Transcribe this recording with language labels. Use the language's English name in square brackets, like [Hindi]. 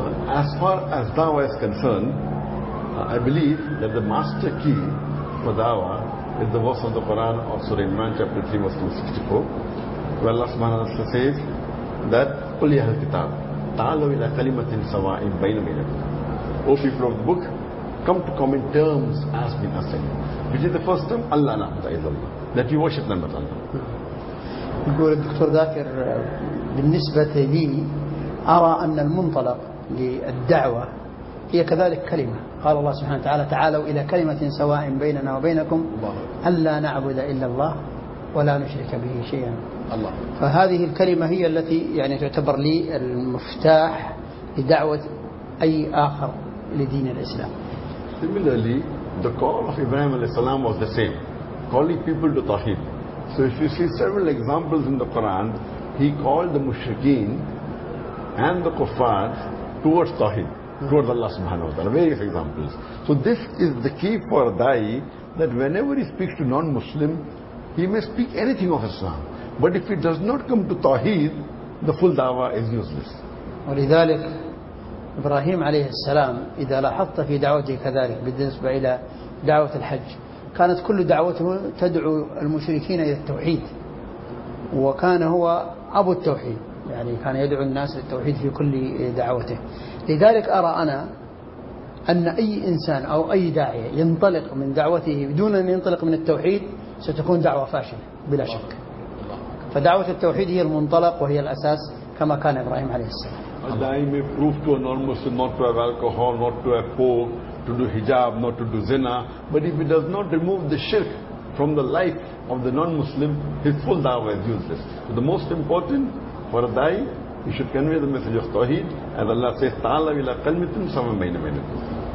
[English] As far as Dawah is concerned, I believe that the master key for Dawah is the verse of the Quran of Surah Imran, chapter 3, verse 264, where Allah subhanahu wa ta'ala says that [Arabic] قُلْ يَهَا الْكِتَابِ تَعَلَوْا إِلَىٰ كَلِمَةٍ سَوَاءٍ بَيْنَ مِنَكُمْ. [English] O people of the book, come to common terms as bin asim, which is the first term, [Arabic] Allah na'budu illa Allah, [English] that you worship none but Allah. [Arabic] يقول الدكتور ذاكر بالنسبة لي أرى أن المنطلق للدعوة هي كذلك كلمة، قال الله سبحانه وتعالى تعالوا إلى كلمة سواء بيننا وبينكم ألا نعبد إلا الله ولا نشرك به شيئا الله. فهذه الكلمة هي التي يعني تعتبر لي المفتاح لدعوة أي آخر لدين الإسلام. [English] Similarly, the call of Ibrahim عليه السلام was the same, calling people to tawhid. So if you see several examples in the Quran, he called the mushrikeen and the kuffar towards tawhid, towards Allah subhanahu wa ta'ala, various examples. So this is the key for a da'i, that whenever he speaks to non-Muslim, he may speak anything of Islam, but if he does not come to tawhid, the full da'wah is useless. [Arabic] ولذلك إبراهيم عليه السلام إذا لاحظت في دعوته كذلك بالنسبة إلى دعوة الحج، كانت كل دعوته تدعو المشركين إلى التوحيد، وكان هو أبو التوحيد، يعني كان يدعو الناس للتوحيد في كل دعوته. لذلك أرى أنا أن أي إنسان أو أي داعية ينطلق من دعوته بدون أن ينطلق من التوحيد ستكون دعوة فاشلة بلا شك. فدعوة التوحيد هي المنطلق وهي الأساس كما كان إبراهيم عليه السلام. [English] الداعي may prove to a non-Muslim not to have alcohol, not to have pork, to do hijab, not to do zina, but if he does not remove the shirk from the life of the non-Muslim, his full da'wah is useless. So the most important for a da'i, he should convey the message of tawhid, as Allah says, [Arabic] تَعَلَىٰ وِلَىٰ قَلْمِتِمْ سَوَمْ مَيْنَ مَيْنَكُمْ.